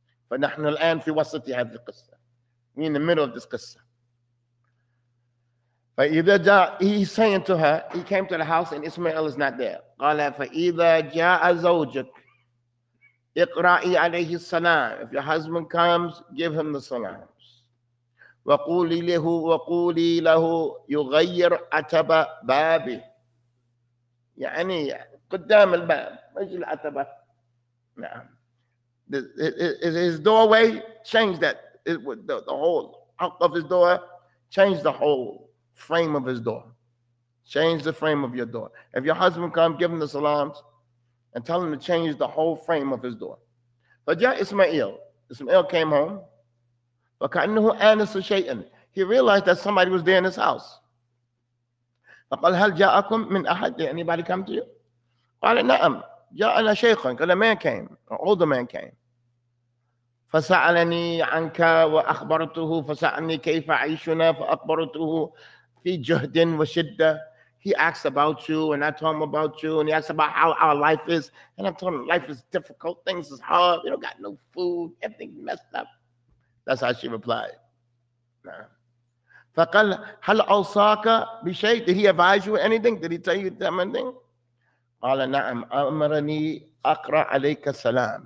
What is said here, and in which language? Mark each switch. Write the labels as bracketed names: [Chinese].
[Arabic] فنحن الآن في وسط هذه القصة. [English] We in the middle of this قصة. [Arabic] فإذا جاء [English] he's saying to her he came to the house and إسماعيل is not there. [Arabic] قال فإذا جاء زوجك اقرأي عليه السلام. [English] If your husband comes give him the salams. [Arabic] وقولي له يغير أتب بابي. يعني قدام الباب مش العتبة. نعم. [English] His doorway changed that. The whole out of his door changed the whole frame of his door. Change the frame of your door. If your husband comes, give him the salams and tell him to change the whole frame of his door. [Arabic] فجاء إسماعيل. إسماعيل [English] came home. [Arabic] فكأنه آنس شيئا. [English] He realized that somebody was there in his house. [Arabic] فقال هل جاءكم من أحد؟ [English] Anybody come to you? [Arabic] قال نعم جاءنا شيخا. قال [English] a man came, an older man came. [Arabic] فسألني عنك وأخبرته فسألني كيف عيشنا فأخبرته في جهد وشدة. [English] He asked about you and I told him about you and he asked about how our life is and I told him life is difficult, things is hard, you don't got no food, everything messed up. That's how she replied. Nah. [Arabic] فقال هل أوصاك بشيء؟ [English] Did he advise you anything? Did he tell you anything? [Arabic] قال نعم أمرني أقرأ عليك السلام.